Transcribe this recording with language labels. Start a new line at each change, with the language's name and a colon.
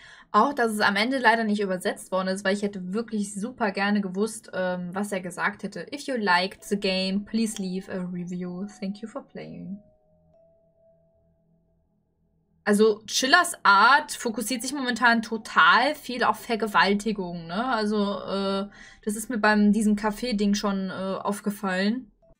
German: Auch, dass es am Ende leider nicht übersetzt worden ist, weil ich hätte wirklich super gerne gewusst, was er gesagt hätte.
English: If you liked the game, please leave a review. Thank you for playing.
German: Also, Chillers Art fokussiert sich momentan total viel auf Vergewaltigung, ne? Also, das ist mir beim diesem Café-Ding schon aufgefallen.